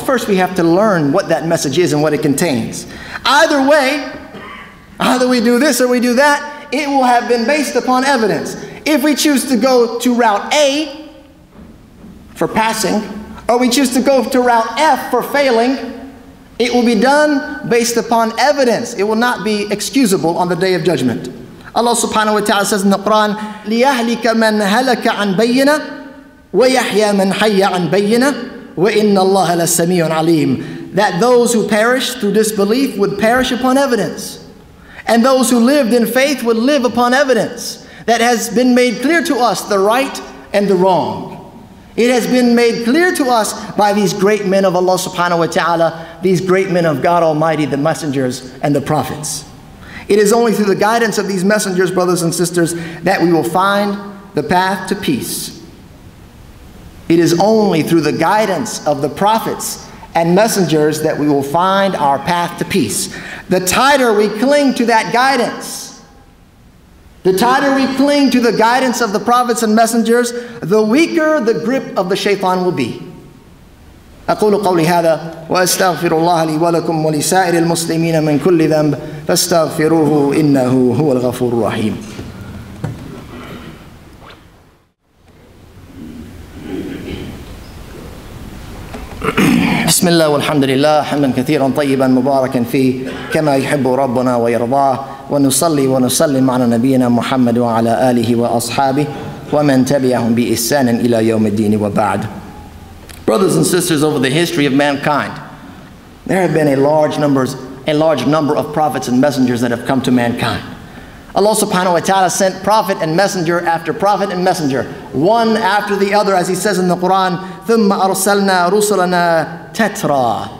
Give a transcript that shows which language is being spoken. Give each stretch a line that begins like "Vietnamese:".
English: First, we have to learn what that message is and what it contains. Either way, either we do this or we do that, it will have been based upon evidence. If we choose to go to route A for passing, or we choose to go to route F for failing, it will be done based upon evidence. It will not be excusable on the Day of Judgment. Allah subhanahu wa ta'ala says in the Quran,
Arabic: لِيَهْلِكَ مَنْ هَلَكَ عَنْ بَيِّنَةً وَيَحْيَى مَنْ حَيَّ عَنْ بَيِّنَةً وَإِنَّ اللَّهَ لَسَّمِيعٌ عَلِيمٌ.
English: That those who perished through disbelief would perish upon evidence, and those who lived in faith would live upon evidence. That has been made clear to us, the right and the wrong. It has been made clear to us by these great men of Allah subhanahu wa ta'ala, these great men of God Almighty, the messengers and the prophets. It is only through the guidance of these messengers, brothers and sisters, that we will find the path to peace. It is only through the guidance of the prophets and messengers that we will find our path to peace. The tighter we cling to that guidance, the tighter we cling to the guidance of the prophets and messengers, the weaker the grip of the shaitan will be.
Arabic: أقول قولي هذا وأستغفر الله لي ولكم ولسائر المسلمين من كل ذنب فاستغفروه إنه هو الغفور الرحيم. بسم الله والحمد لله حمدا كثيرا طيبا مباركا فيه كما يحب ربنا ويرضاه ونصلي ونسلم على نبينا محمد وعلى آله وأصحابه ومن تبعهم بإحسان إلى يوم الدين وبعد.
English: Brothers and sisters, over the history of mankind, there have been a large number of prophets and messengers that have come to mankind. Allah subhanahu wa ta'ala sent prophet and messenger after prophet and messenger, one after the other, as he says in the Quran,
Arabic: ثُمَّ أَرْسَلْنَا رُسُلَنَا تَتْرَى.